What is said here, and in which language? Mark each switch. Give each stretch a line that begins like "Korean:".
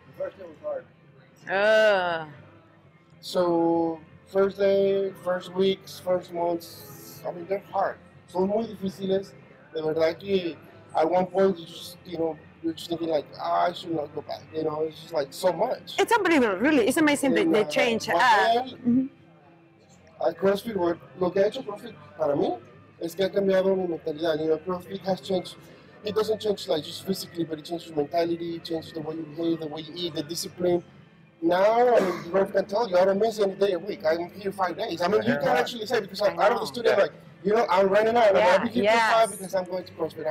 English: The first day was hard. So, first day, first weeks, first months, I mean, they're hard.
Spanish: Son muy difíciles. De verdad que
English: at one point, you're just thinking like, I should not go back. You know, it's just like so much. It's unbelievable, really. It's amazing the change.
Spanish: At CrossFit, lo que ha hecho CrossFit para mí es que ha cambiado mi mentalidad.
English: You know, CrossFit has changed. It doesn't change like just physically, but it changes your mentality, it changes the way you behave, the way you eat, the discipline. Now, Rob can tell you, I don't miss any day a week. I'm here 5 days. I mean, you can actually say, because I'm out of the studio, like, you know, I'm running out. I'm going to keep the five because I'm going to CrossFit.